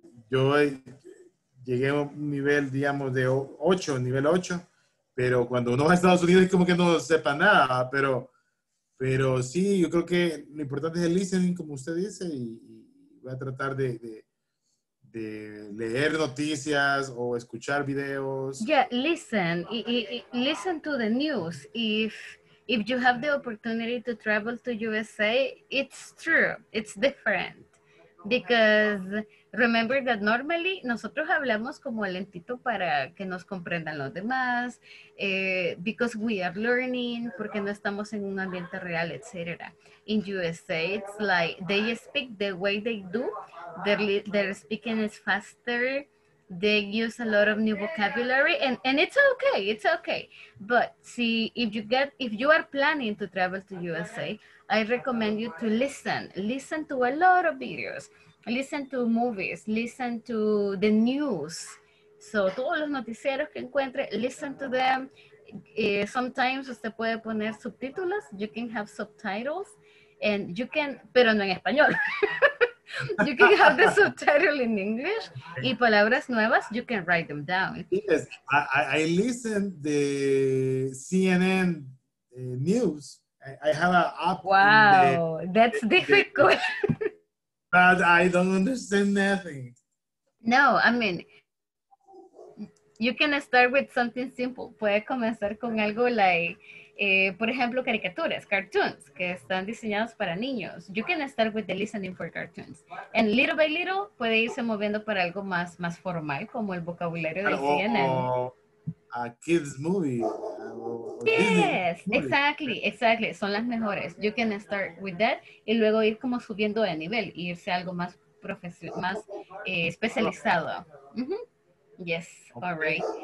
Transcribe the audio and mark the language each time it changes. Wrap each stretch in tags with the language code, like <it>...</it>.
<es>Yo llegué a un nivel, digamos, de 8, nivel 8, pero cuando uno va a Estados Unidos es como que no sepa nada, pero sí, yo creo que lo importante es el listening, como usted dice, y voy a tratar de leer noticias o escuchar videos.</es> <en>Yeah, listen. Listen to the news. If you have the opportunity to travel to USA, it's true.</en> <es>It's different. Because remember that normally nosotros hablamos como lentito para que nos comprendan los demás. Because we are learning. Porque no estamos en un ambiente real, etc.</es> <en>In USA, it's like they speak the way they do. Their speaking is faster, they use a lot of new vocabulary, and it's okay. But see, if you are planning to travel to USA, I recommend you to listen to a lot of videos, listen to movies, listen to the news.</en> <es>So todos los noticieros que encuentre, listen to them.</es> <en>Sometimes usted puede poner subtítulos, you can have subtitles, and you can, pero no en español. You can have the subtitle in English, y palabras nuevas, you can write them down. Yes, I listen the CNN news. I have an app. Wow, that's difficult. But I don't understand nothing. No, I mean, you can start with something simple.</en> <es>Puede comenzar con algo like, por ejemplo, caricaturas, cartoons, que están diseñados para niños.</es> <en>You can start with the listening for cartoons.</en> <es>And little by little, puede irse moviendo para algo más, más formal, como el vocabulario de CNN.</es> <en>A kids movie.</en> <es>Yes, exactly. Son las mejores. You can start with that y luego ir como subiendo de nivel, e irse a algo más más especializado. Mm-hmm. Yes, okay. All right.</es>